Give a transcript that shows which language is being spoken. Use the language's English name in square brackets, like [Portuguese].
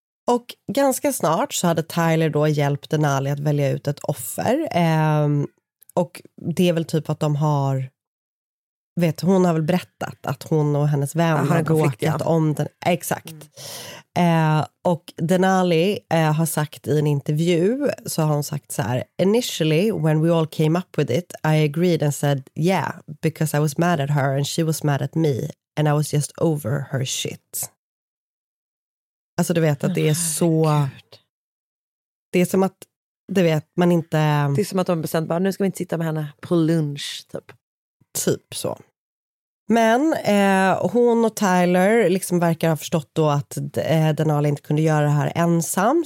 [Swedish] Och ganska snart så hade Tyler då hjälpt Denali att välja ut ett offer. Och det är väl typ att de har... Vet, hon har väl berättat att hon och hennes vän har bråkat om den. Exakt. Mm. Och Denali har sagt i en intervju, så har hon sagt så här: [English] "Initially, when we all came up with it, I agreed and said yeah, because I was mad at her and she was mad at me and I was just over her shit." [Swedish] Alltså du vet att det är så... Det är som att, du vet, man inte... Det är som att de bestämt bara, nu ska vi inte sitta med henne på lunch, typ. Typ så. Men hon och Tyler liksom verkar ha förstått då att Denali inte kunde göra det här ensam.